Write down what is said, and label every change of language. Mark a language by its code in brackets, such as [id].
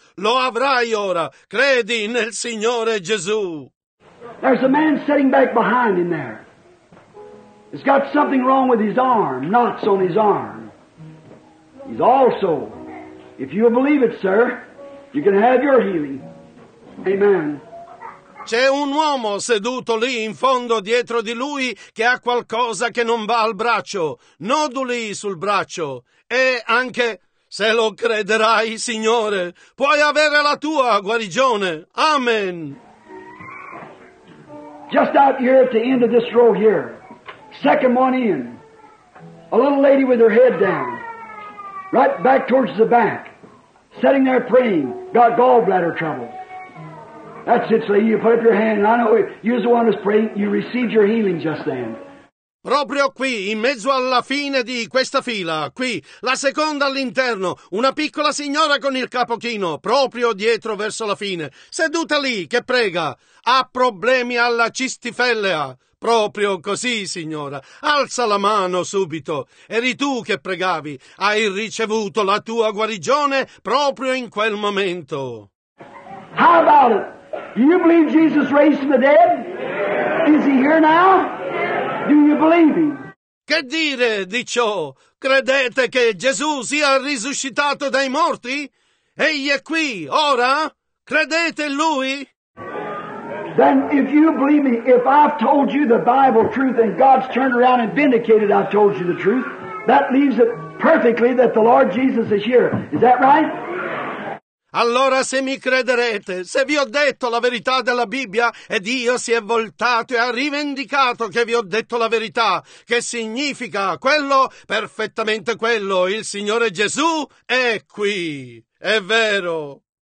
[it] Lo avrai ora, credi nel Signore Gesù. [en] There's a man sitting back behind in there. He's got something wrong with his arm, knots on his arm. He's also, if you believe it, sir, you can have your healing. Amen. [it] C'è un uomo seduto lì in fondo dietro di lui che ha qualcosa che non va al braccio, noduli sul braccio. E anche, se lo crederai, Signore, puoi avere la tua guarigione. Amen. [en] Just out here at the end of this row here. Second one in. A little lady with her head down, right back towards the back, sitting there praying, got gallbladder trouble. That's it, lady. You put up your hand, and I know you're the one who's praying. You received your healing just then. [it] Proprio qui, in mezzo alla fine di questa fila, qui, la seconda all'interno, una piccola signora con il capochino, proprio dietro verso la fine, seduta lì, che prega, ha problemi alla cistifellea. Proprio così, signora, alza la mano subito, eri tu che pregavi, hai ricevuto la tua guarigione proprio in quel momento. [en] How about it? You believe Jesus raised from the dead? Is he here now? Do you believe him? [it] Che dire di ciò? Credete che Gesù sia risuscitato dai morti? Egli è qui, ora? Credete in lui? [en] Then if you believe me, if I've told you the Bible truth and God's turned around and vindicated I've told you the truth, that leaves it perfectly that the Lord Jesus is here. Is that right? [it] Allora se mi crederete, se vi ho detto la verità della Bibbia e Dio si è voltato e ha rivendicato che vi ho detto la verità, che significa quello, perfettamente quello, il Signore Gesù è qui, è vero.